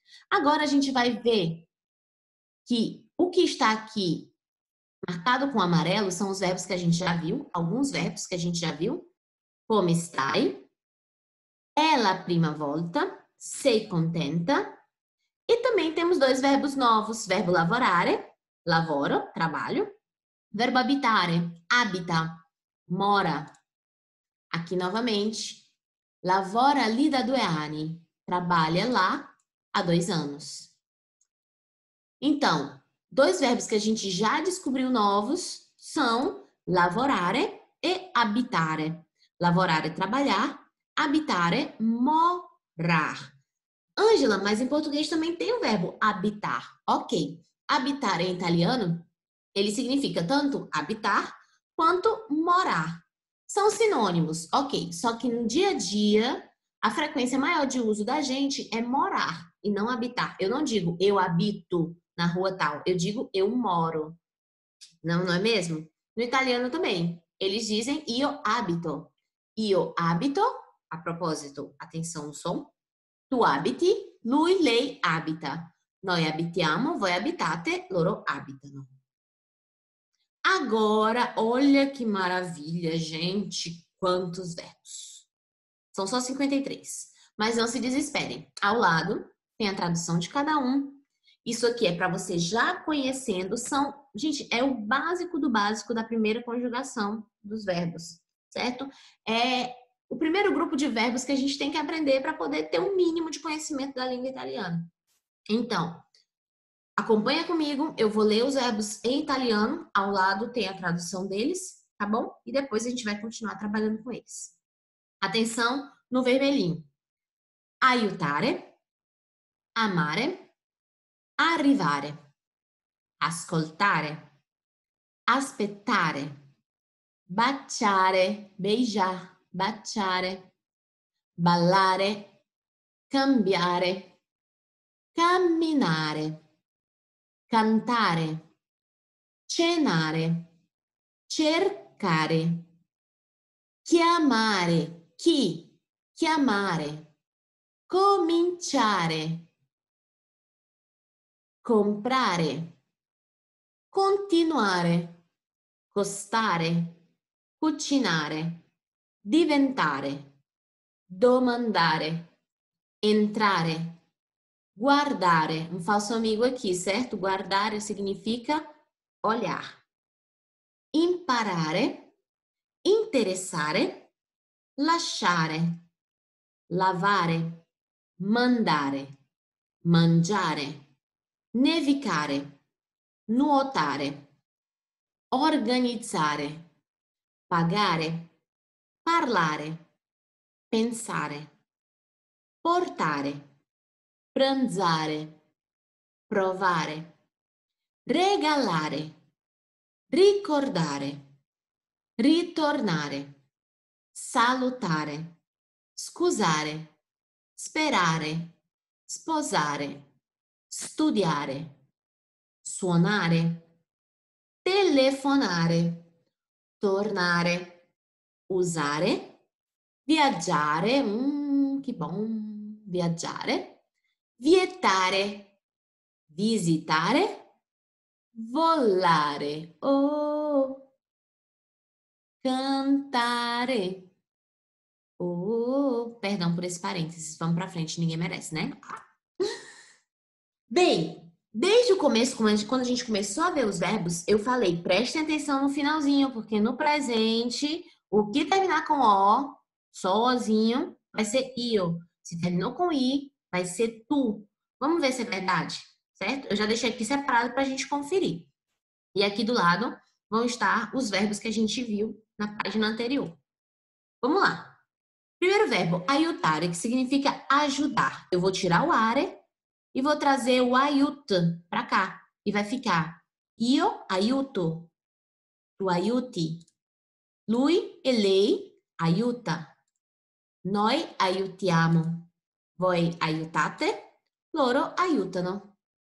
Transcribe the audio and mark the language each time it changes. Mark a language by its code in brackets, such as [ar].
[pt] Agora a gente vai ver que o que está aqui marcado com amarelo são os verbos que a gente já viu, alguns verbos que a gente já viu. [it] Come stai? È la prima volta. Sei contenta? [pt] E também temos dois verbos novos: verbo lavorare, lavoro, trabalho. Verbo abitare, abita, mora. Aqui novamente, [it] lavora lì da 2 anni, [pt] trabalha lá há 2 anos. Então, dois verbos que a gente já descobriu novos são lavorare e abitare. Lavorare, trabalhar, abitare, morar. Ângela, mas em português também tem o verbo habitar. Ok, habitar em italiano. Ele significa tanto habitar quanto morar. São sinônimos, ok. Só que no dia a dia, a frequência maior de uso da gente é morar e não habitar. Eu não digo eu habito na rua tal, eu digo eu moro. Não, não é mesmo? No italiano também, eles dizem [it] io abito. Io abito, [pt] a propósito, atenção no som. [it] Tu abiti, lui, lei abita. Noi abitiamo, voi abitate, loro abitano. [pt] Agora, olha que maravilha, gente, quantos verbos. São só 53, mas não se desesperem. Ao lado tem a tradução de cada um. Isso aqui é para você já conhecendo, são, gente, é o básico do básico da primeira conjugação dos verbos, certo? É o primeiro grupo de verbos que a gente tem que aprender para poder ter um mínimo de conhecimento da língua italiana. Então, acompanha comigo, eu vou ler os verbos em italiano, ao lado tem a tradução deles, tá bom? E depois a gente vai continuar trabalhando com eles. Atenção no vermelhinho. [it] Aiutare, amare, arrivare, ascoltare, aspettare, baciare, beijar, baciare, ballare, cambiare, camminare. Cantare, cenare, cercare, chiamare, chi, chiamare, cominciare, comprare, continuare, costare, cucinare, diventare, domandare, entrare. [pt] Guardare, um falso amigo aqui, certo? Guardare significa olhar. [it] Imparare, interessare, lasciare, lavare, mandare, mangiare, nevicare, nuotare, organizzare, pagare, parlare, pensare, portare. Pranzare, provare, regalare, ricordare, ritornare, salutare, scusare, sperare, sposare, studiare, suonare, telefonare, tornare, usare, viaggiare, [pt] che bom, [it] viaggiare. Vietare, visitare, volare, oh, cantare, [pt] oh, perdão por esse parênteses, vamos para frente, ninguém merece, né? Bem, desde o começo, quando a gente começou a ver os verbos, eu falei, prestem atenção no finalzinho, porque no presente, o que terminar com O, sozinho, vai ser io. Se terminou com I, vai ser tu. Vamos ver se é verdade, certo? Eu já deixei aqui separado para a gente conferir. E aqui do lado vão estar os verbos que a gente viu na página anterior. Vamos lá. Primeiro verbo, aiutare, que significa ajudar. Eu vou tirar o are e vou trazer o aiuto para cá. E vai ficar [it] io aiuto, tu aiuti, lui e lei aiuta, noi aiutiamo, voi aiutate, loro aiutano.